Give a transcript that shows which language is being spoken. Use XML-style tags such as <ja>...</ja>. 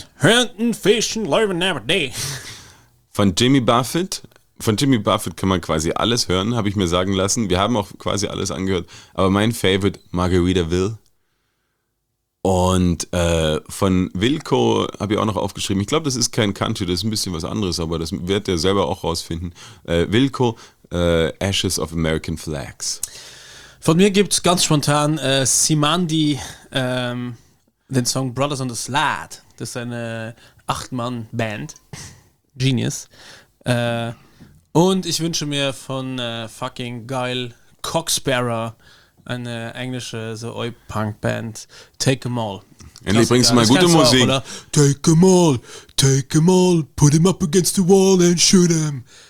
<en>Hunting, Fishing, Loving Every Day.</en> <de>Von Jimmy Buffett. Von Jimmy Buffett kann man quasi alles hören, habe ich mir sagen lassen. Wir haben auch quasi alles angehört. Aber mein Favorite, Margaritaville. Und von Wilco habe ich auch noch aufgeschrieben. Ich glaube, das ist kein Country, das ist ein bisschen was anderes, aber das wird der selber auch rausfinden. Wilco, Ashes of American Flags. Von mir gibt es ganz spontan Simandi den Song Brothers on the Slat. Das ist eine 8-Mann-Band. Genius. Und ich wünsche mir von fucking geil Cocksparer eine englische so Oi-Punk-Band, Take 'em All. Endlich bringst du mal gute Musik. Auch,</de> <en>take 'em all, put him up against the wall and shoot him.</en>